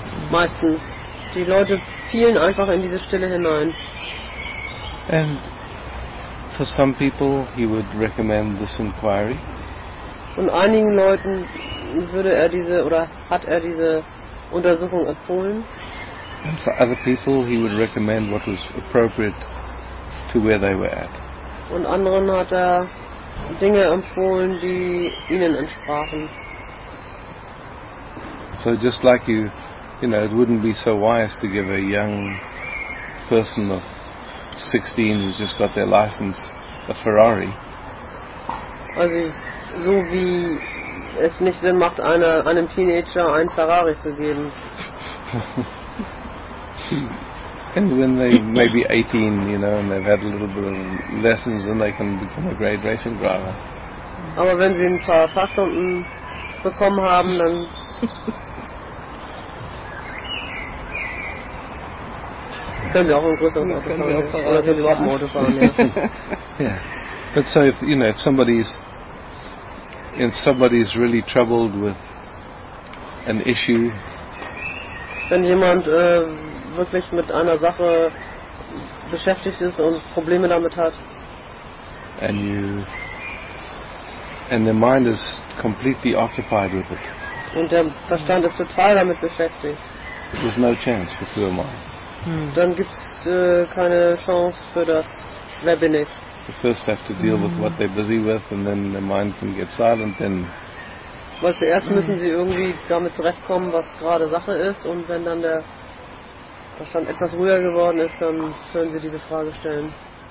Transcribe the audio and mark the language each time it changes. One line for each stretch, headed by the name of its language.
German: Meistens, die Leute fielen einfach in diese Stille hinein.
English: And for some people, he would recommend this inquiry.
German: Und einigen Leuten würde er diese oder hat er diese Untersuchung empfohlen.
English: And for other people he would recommend what was appropriate to where they were at.
German: Und anderen hat er Dinge empfohlen, die ihnen entsprachen.
English: So just like you know, it wouldn't be so wise to give a young person of 16 who's just got their license a Ferrari.
German: Also so wie es nicht Sinn macht, einem Teenager einen Ferrari zu geben.
English: And when they maybe 18, you know, and they've had a little bit of lessons, then they can become a great racing driver.
German: Aber wenn sie ein paar Fahrstunden bekommen haben, dann können sie auch ein größeres Auto fahren. Oder sie überhaupt ein Auto fahren, ja.
English: Yeah. But so if, you know, if somebody is really troubled with an issue,
German: wenn jemand wirklich mit einer Sache beschäftigt ist und Probleme damit hat,
English: and their mind is completely occupied with it,
German: und der Verstand ist total damit beschäftigt,
English: there's no chance for who am I.
German: Dann gibt's keine Chance für das Wer bin ich.
English: They first have to deal with what they're busy with, and then their mind can get silent. Then.
German: Weil zuerst müssen sie irgendwie damit zurechtkommen, was gerade Sache ist, und wenn dann der Verstand etwas ruhiger geworden ist, dann können sie diese Frage stellen.